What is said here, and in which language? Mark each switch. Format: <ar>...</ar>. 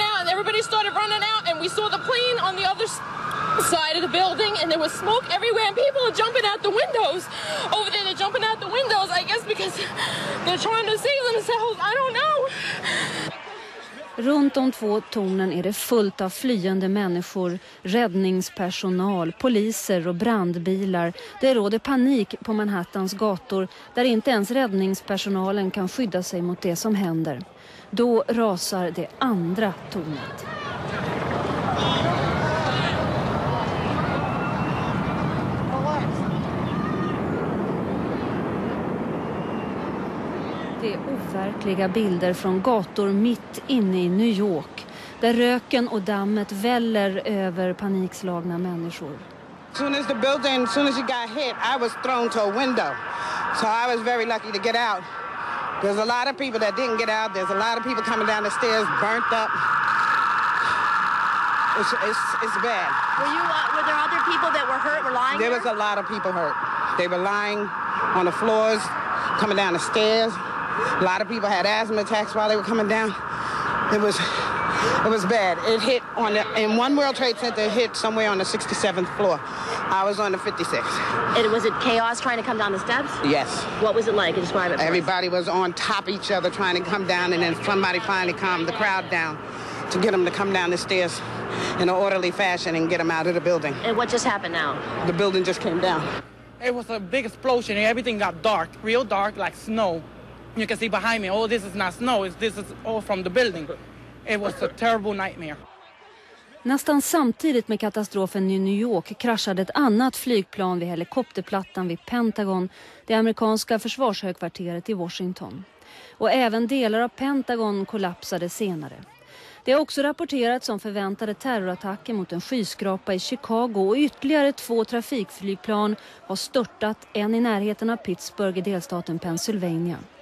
<en>everybody started running out, and we saw the plane on the other side of the building, and there was smoke everywhere, and people are jumping out the windows. Over there, they're jumping out the windows, I guess, because they're trying to save themselves. I don't know.</en> <sv>Runt de två tornen är det fullt av flyende människor, räddningspersonal, poliser och brandbilar. Det råder panik på Manhattans gator där inte ens räddningspersonalen kan skydda sig mot det som händer. Då rasar det andra tornet. Det är overkliga bilder från gator mitt inne i New York där röken och dammet väller över panikslagna människor.</sv> <en>Soon as the building, soon as you got hit, I was thrown to a window. So I was very lucky to get out. There's a lot of people that didn't get out. There's a lot of people coming down the stairs burnt up. It's bad. Were there other people that were hurt, were lying? There was a lot of people hurt. They were lying on the floors, coming down the stairs. A lot of people had asthma attacks while they were coming down. It was bad. It hit on the, in one World Trade Center, it hit somewhere on the 67th floor. I was on the 56th. And was it chaos trying to come down the steps? Yes. What was it like? Describe it. Everybody was on top of each other trying to come down, and then somebody finally calmed the crowd down to get them to come down the stairs in an orderly fashion and get them out of the building. And what just happened now? The building just came down. It was a big explosion, and everything got dark, real dark, like snow. You can see behind me, this is not snow, this is all from the building. It was a terrible nightmare.</en> <sv>Nästan samtidigt med katastrofen i New York kraschade ett annat flygplan vid helikopterplattan vid Pentagon, det amerikanska försvarshögkvarteret i Washington. Och även delar av Pentagon kollapsade senare. Det har också rapporterats om förväntade terrorattacker mot en skyskrapa i Chicago, och ytterligare två trafikflygplan har störtat, en i närheten av Pittsburgh i delstaten Pennsylvania.</sv>